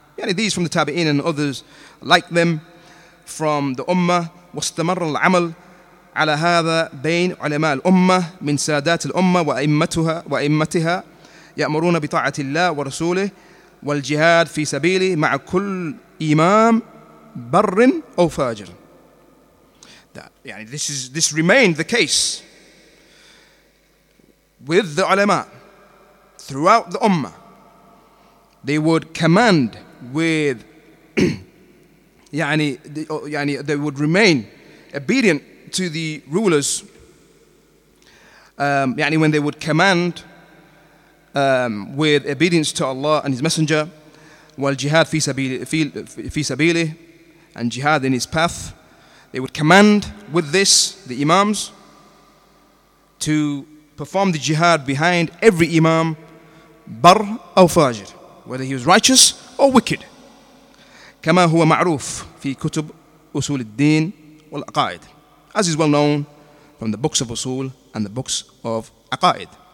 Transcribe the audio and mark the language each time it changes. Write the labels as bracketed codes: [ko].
[en] Yani these from the Tabi'een and others like them, from the Ummah, [ar] واستمر العمل على هذا بين علماء الأمة من سادات الأمة وأئمتها يأمرون بطاعة الله ورسوله والجهاد في سبيله مع كل إمام بر أو فاجر. [en] This remained the case with the علماء throughout the Ummah. They would command with يعني they would remain obedient to the rulers يعني when they would command with obedience to Allah and His Messenger, [ar] والجهاد في سبيله [en] and jihad in His path. They would command with this the imams to perform the jihad behind every imam, bar أو فاجر, whether he was righteous or wicked. [ar] كما هو معروف في كتب أصول الدين والأقائد, [en] as is well known from the books of أصول and the books of أقائد.